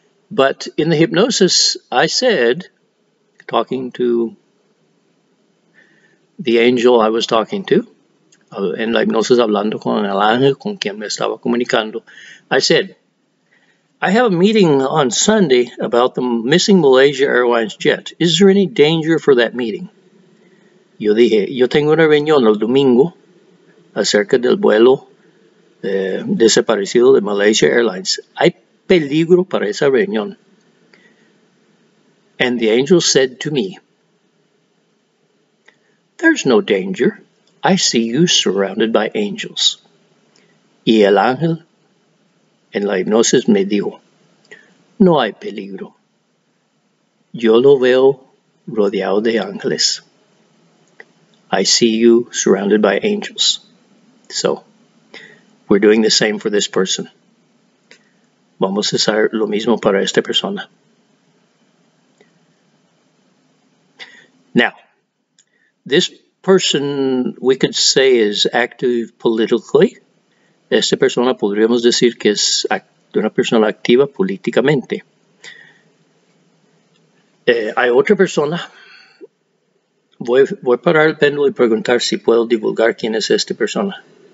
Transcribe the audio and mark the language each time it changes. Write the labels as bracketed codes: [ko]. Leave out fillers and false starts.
[en] But in the hypnosis, I said, talking to the angel I was talking to, [es] en la hipnosis hablando con el ángel con quien me estaba comunicando, [en] I said, I have a meeting on Sunday about the missing Malaysia Airlines jet. Is there any danger for that meeting? [es] Yo dije, yo tengo una reunión el domingo acerca del vuelo desaparecido de Malaysia Airlines. ¿Hay peligro para esa reunión? [en] And the angel said to me, there's no danger. I see you surrounded by angels. [es] Y el ángel en la hipnosis me dijo, no hay peligro. Yo lo veo rodeado de ángeles. [en] I see you surrounded by angels. So, we're doing the same for this person. [es] Vamos a hacer lo mismo para esta persona. [en] Now, this person, we could say, is active politically. [es] Esta persona podríamos decir que es una persona activa políticamente. Hay otra persona. Voy a parar el péndulo y preguntar si puedo divulgar quién es esta persona.